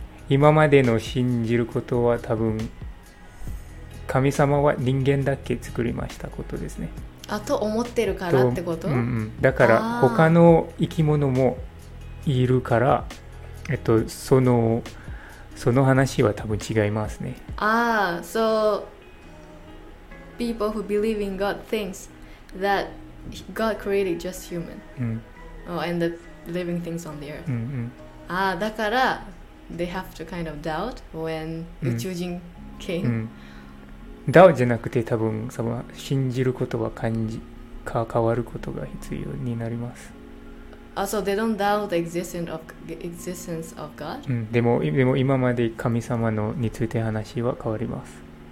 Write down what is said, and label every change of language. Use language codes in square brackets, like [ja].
[ja] 今までの信じることは多分神様は人間だけ作りましたことですね、あと思ってるからってこと、うんうん、だから他の生き物もいるから、その話は多分違いますね。 [en] ああ、so people who believe in God thinks that God created just human、 [ja] うん、 [en] oh, and the living things on the earth、 [ja] うんうん、ああ、だから [en] they have to kind of doubt when、 [ja] うん、 [en] 宇宙人 came、うん、 [ja] ダウじゃなくて多分その信じることは感じか変わることが必要になります。 [en] So they don't doubt the existence of God? [ja] うん、でも今まで神様のについて話は変わります。